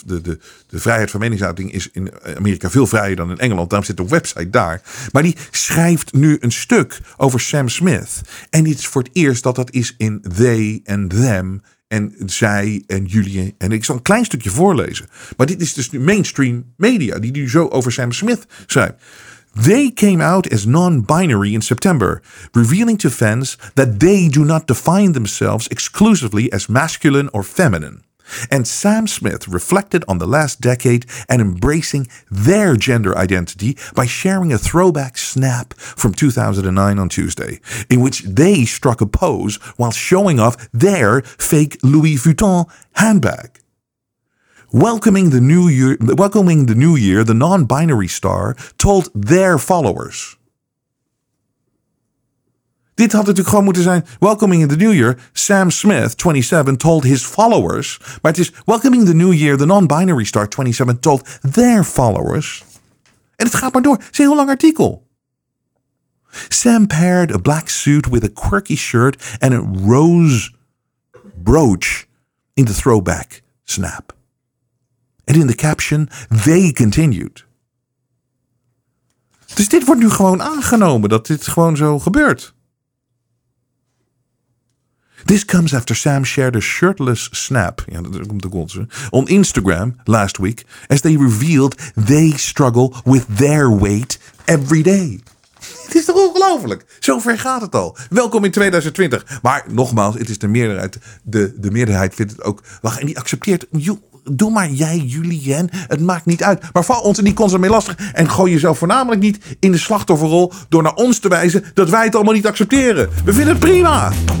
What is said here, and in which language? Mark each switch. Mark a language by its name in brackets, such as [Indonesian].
[Dutch] De vrijheid van meningsuiting is in Amerika veel vrijer dan in Engeland. Daarom zit de website daar. Maar die schrijft nu een stuk over Sam Smith. En dit is voor het eerst dat is in they en them en zij en jullie. En ik zal een klein stukje voorlezen. Maar dit is dus nu mainstream media die nu zo over Sam Smith schrijft. [English] They came out as non-binary in September, revealing to fans that they do not define themselves exclusively as masculine or feminine. And Sam Smith reflected on the last decade and embracing their gender identity by sharing a throwback snap from 2009 on Tuesday, in which they struck a pose while showing off their fake Louis Vuitton handbag. Welcoming the new year, the non-binary star told their followers. [Dutch] Dit had natuurlijk gewoon moeten zijn. [English] Welcoming in the new year, Sam Smith, 27, told his followers. [Dutch] Maar het is [English] welcoming the new year, the non-binary star, 27, told their followers. [Dutch] En het gaat maar door. Het is een heel lang artikel. [English] Sam paired a black suit with a quirky shirt and a rose brooch in the throwback snap. And in the caption, they continued. [Dutch] Dus dit wordt nu gewoon aangenomen dat dit gewoon zo gebeurt. [English] This comes after Sam shared a shirtless snap on Instagram last week as they revealed they struggle with their weight every day. [Dutch] Het is toch ongelooflijk? Zo ver gaat het al. Welkom in 2020. Maar nogmaals, het is de meerderheid. De meerderheid vindt het ook. Wacht, en die accepteert. Doe maar jij, Julien. Het maakt niet uit. Maar val ons er niet constant mee lastig. En gooi jezelf voornamelijk niet in de slachtofferrol. Door naar ons te wijzen dat wij het allemaal niet accepteren. We vinden het prima.